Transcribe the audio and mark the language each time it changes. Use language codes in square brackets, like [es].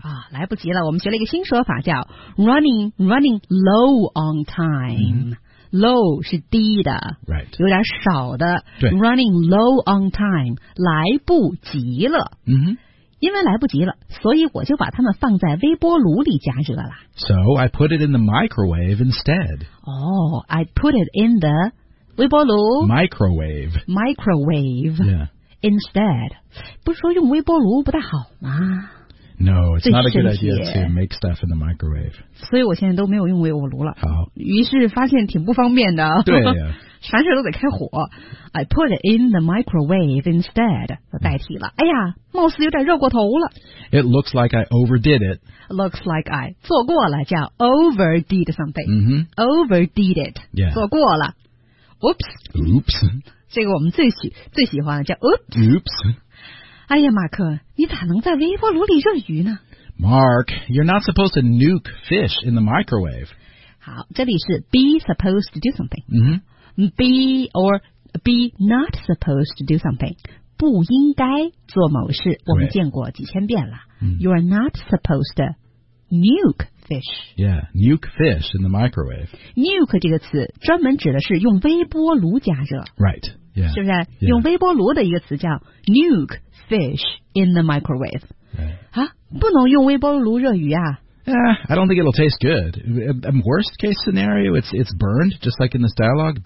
[zh] 啊，来不及了。我们学了一个新说法，叫 [en] running low on time。嗯 [zh] Low 是低的、 [en] right. [zh] 有点少的对 [en] Running low on time [zh] 来不及了、 mm-hmm. 因为来不及了所以我就把它们放在微波炉里加热了 [en] So I put it in the microwave instead Oh, I put it in the 微波炉 Microwave、yeah. [zh] Instead 不是说用微波炉不太好吗 [en] No, it's not a good idea to make stuff in the microwave. [zh] 所以我现在都没有用微波炉了。好，于是发现挺不方便的。对、啊，凡事都得开火。 [en] I put it in the microwave instead， [zh] 代替了。哎呀，貌似有点热过头了。 [en] It looks like I overdid it. Looks like I [zh] 做过了，叫 [en] overdid something. Mm-hmm. Overdid it. Yeah. [zh] 做过了。Oops. [en] Oops. [zh] 这个我们最喜欢的叫 Oops. [en] Oops. [zh] 哎呀，马克，你咋能在微波炉里热鱼呢 [en] ？Mark, you're not supposed to nuke fish in the microwave. [zh] 好，这里是 [en] be supposed to do something. 嗯、mm-hmm. ，be or be not supposed to do something. [zh] 不应该做某事，我们见过几千遍了。 Mm-hmm. [en] You are not supposed to nuke fish. Yeah, nuke fish in the microwave. [zh] Nuke 这个词专门指的是用微波炉加热。 [en] Right. Yeah. [zh] 是不是、 [en] yeah. [zh] 用微波炉的一个词叫 nuke？ [en] Fish in the microwave.、 Right. [zh] 啊，不能用微波炉热鱼啊。 [en] Yeah, I don't think it'll taste good. In worst case scenario, it's burned, just like in this dialogue.